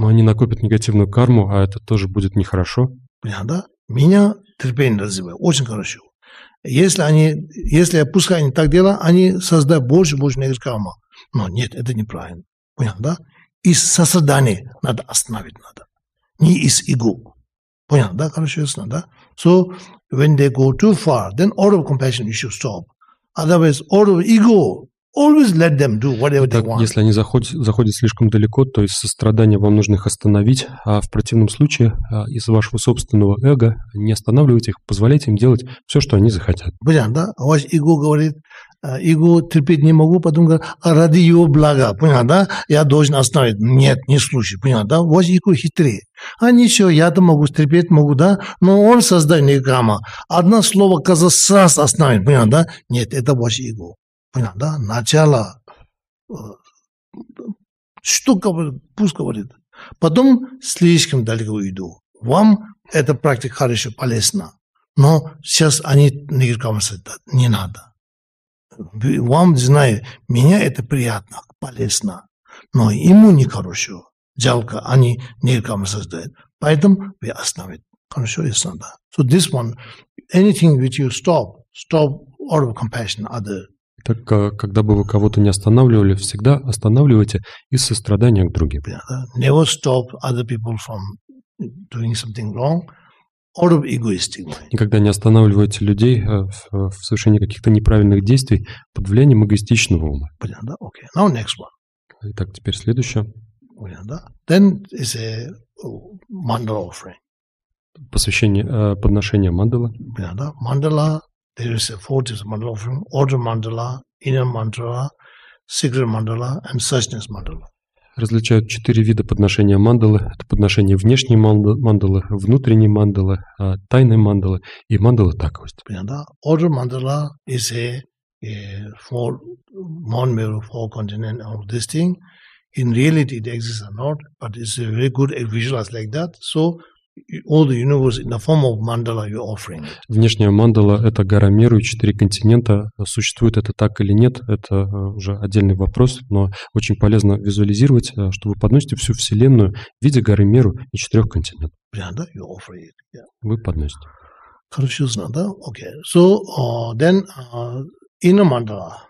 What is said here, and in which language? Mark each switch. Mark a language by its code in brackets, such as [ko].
[ru] Но они накопят негативную карму, а это тоже будет нехорошо. Понятно, да? Меня терпение развивает. Очень хорошо. Если пускай они так делают, они создают больше и больше негатив карма. Но нет, это неправильно. Понятно, да? Из сострадания надо остановить надо. Не из эго. Понятно, да? Хорошо, ясно, да? [en] So, when they go too far, then out of compassion you should stop. Otherwise, out of ego, always let them do whatever they want. [ru] Если они заходят слишком далеко, то из сострадания вам нужно их остановить, а в противном случае из вашего собственного эго не останавливайте их, позволяйте им делать все, что они захотят. Понятно, да? У вас эго говорит, эго терпеть не могу, потом говорит, а ради его блага, понятно, да? Я должен остановить. Нет, не случай, понятно, да? У вас эго хитрее. А ничего, я-то могу терпеть, могу, да? Но он создает негатив. Одно слово казахстан остановит, понятно, да? Нет, это ваше эго. Понятно, да? Начало, что говорит, пусть говорит. Потом слишком далеко уйду. Вам эта практика хорошо, полезна. Но сейчас они не надо. Вам знаю, меня это приятно, полезно. Но ему нехорошо. Жалко, они негативно создают. Поэтому вы остановите. Хорошо, ясно, да? [en] So this one, anything which you stop, stop out of compassion, other. [ru] Так, когда бы вы кого-то не останавливали, всегда останавливайте из сострадания к другим. [en] Never stop other people from doing something wrong out of egoistic mind. [ru] Никогда не останавливайте людей в совершении каких-то неправильных действий под влиянием эгоистичного ума. Понятно, да? [en] Okay. Now next one. [ru] Итак, теперь следующее. Понятно, да? [en] Then is a mandala offering. [ru] Посвящение, подношение мандала. Понятно, да? Мандала. [en] There is a four types of mandala offering: outer mandala, inner mandala, secret mandala, and suchness mandala. [ru] Различают четыре вида подношения мандалы. Это подношение внешней мандалы, внутренней мандалы, тайной мандалы и мандалы таковости. Понятно, да? [en] Outer mandala is a four mandala of four continents of this thing. In reality, it exists or not, but it's a very good visualize like that. So all the universe in the form of mandala you offering. [ru] Внешняя мандала – это гора Меру и четыре континента. Существует это так или нет, это уже отдельный вопрос, но очень полезно визуализировать, что вы подносите всю Вселенную в виде горы Меру и четырех континентов. Понятно, да? [en] You offer it. Yeah. [ru] Вы подносите. Хорошо знать, да? [en] Okay. So, then, inner mandala.